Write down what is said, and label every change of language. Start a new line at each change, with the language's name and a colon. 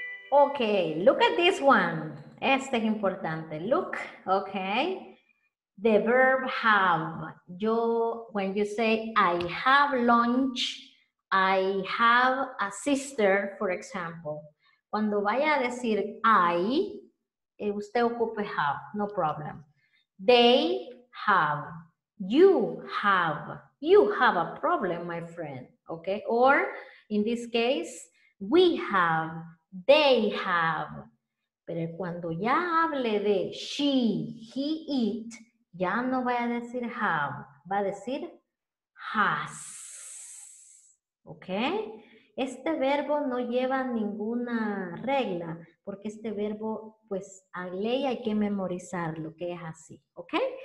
English: Okay, look at this one.
Spanish: Este es importante.
English: Look, okay. The verb have. Yo, when you say, I have lunch, I have a sister, for example.
Spanish: Cuando vaya a decir I, usted ocupe have, no problem.
English: They have, you have, you have a problem, my friend, okay? Or, in this case, we have, they have.
Spanish: Pero cuando ya hable de she, he, it, ya no vaya a decir have, va a decir has, okay? Este verbo no lleva ninguna regla, porque este verbo, pues, a ley hay que memorizarlo, que es así, ¿ok?